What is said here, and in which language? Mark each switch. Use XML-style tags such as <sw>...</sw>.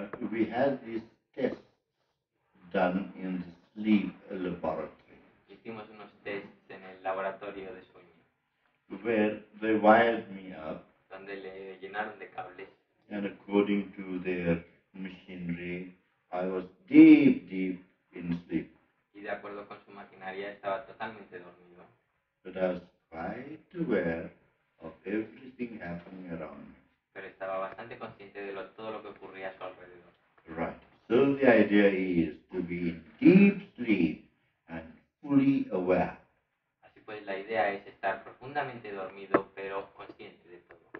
<en>We had these tests done in the sleep laboratory.</en> <es>Hicimos unos tests en el laboratorio de sueño.</es> <en>Where they wired me up.</en> <es>Donde le llenaron de cables.</es> <en>And according to their machinery, I was deep, deep in sleep.</en> <es>Y de acuerdo con su maquinaria estaba totalmente dormido.</es> <en>But I was quite aware of everything happening around me.</en> <es>Pero estaba bastante consciente de todo lo que ocurría a su alrededor.</es> <en>Right. So the idea is to be in deep sleep and fully aware.</en> <es>Así pues, la idea es estar profundamente dormido, pero consciente de todo.</es>